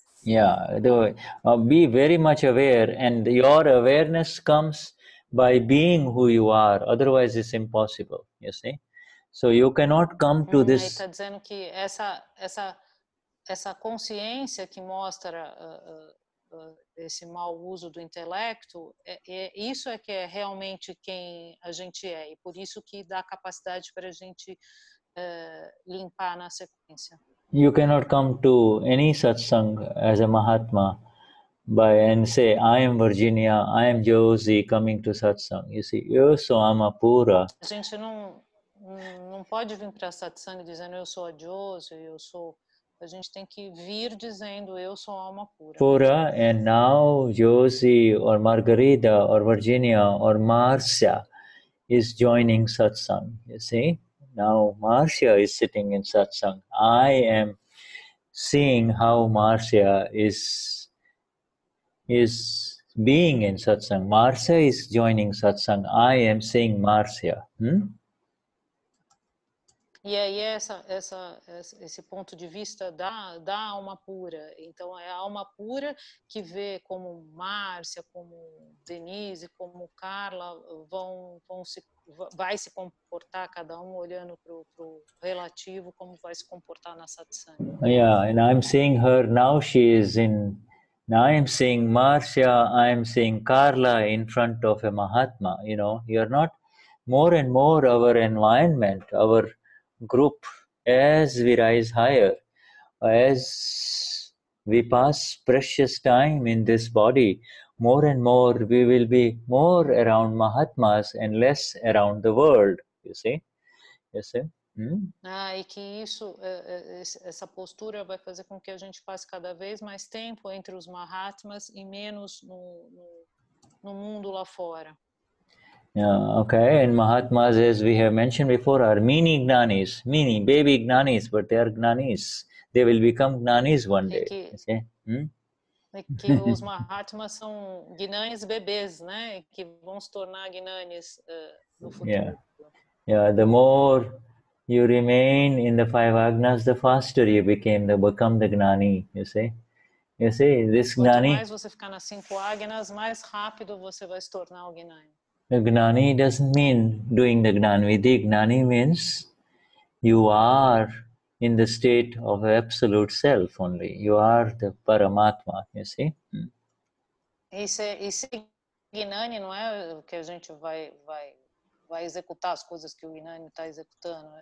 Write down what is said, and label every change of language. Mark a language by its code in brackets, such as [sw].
[en] Be very much aware, and your awareness comes by being who you are. Otherwise, it's impossible. You see, so you cannot come to this. [pt] Ele está dizendo que essa consciência que mostra esse mau uso do intelecto, isso é que é realmente quem a gente é, e por isso que dá capacidade para a gente limpar na sequência. [en] You cannot come to any such sangha as a Mahatma and say, I am Virginia, I am Josie, coming to such sangha. You see, [pt] eu sou Amapura. A gente não pode vir para satsang dizendo eu sou a Josie, eu sou. A gente tem que vir dizendo eu sou Amapura. [en] Pura, and now Josie or Margarida or Virginia or Marcia is joining such sangha, you see? Now Marcia is sitting in satsang. I am seeing how Marcia is being in satsang. Marcia is joining satsang. I am seeing Marcia. [pt] E aí esse ponto de vista da alma pura. Então é a alma pura que vê como Márcia, como Denise, como Carla vão se vai se comportar, cada um olhando para o relativo, como vai se comportar na satsang. [en] Yeah, and I'm seeing her now, she is in, now I'm seeing Marcia, I'm seeing Carla in front of a Mahatma, you know, you're not, more and more our environment, our group, as we rise higher, as we pass precious time in this body, more and more we will be more around Mahatmas and less around the world, you see? You see? Hmm? [pt] Ah, e que isso, essa postura vai fazer com que a gente passe cada vez mais tempo entre os Mahatmas e menos no mundo lá fora. [en] Yeah, okay, and Mahatmas, as we have mentioned before, are mini gnanis, mini baby gnanis, but they are gnanis. They will become gnanis one day. [pt] Que, hmm? Que os Mahatmas são gnanis bebês, né? Que vão se tornar gnanis no futuro. [en] Yeah. Yeah, the more you remain in the five agnas, the faster you become the gnani, you see? You see, this gnani. [pt] Quanto mais você ficar nas cinco agnas, mais rápido você vai se tornar o gnani. [en] The gnani doesn't mean doing the gnanvidhi. Gnani means you are in the state of absolute self only. You are the paramatma, you see? [pt] Esse gnani não é o que a gente vai executar as coisas que o gnani está executando.